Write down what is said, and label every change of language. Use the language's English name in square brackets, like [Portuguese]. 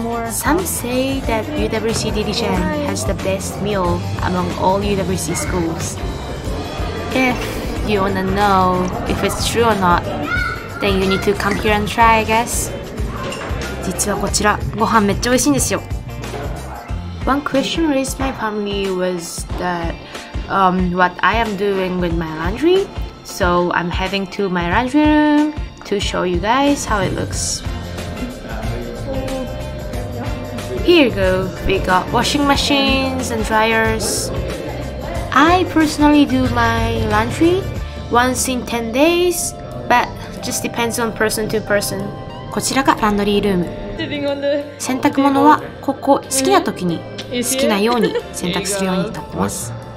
[English] Some say that UWC Division has the best meal among all UWC schools. If you wanna know if it's true or not, then you need to come here and try, I guess. [Japanese] 実はこちら、ご飯めっちゃ美味しいんですよ。 [English] One question raised my family was that, what I am doing with my laundry. So I'm heading to my laundry room to show you guys how it looks. Here you go. We got washing machines and dryers. I personally do my laundry. Once in 10 days, but just depends on person to person. [Japanese] こちらがランドリールーム。洗濯物はここ好きな時に好きなように洗濯するようになってます。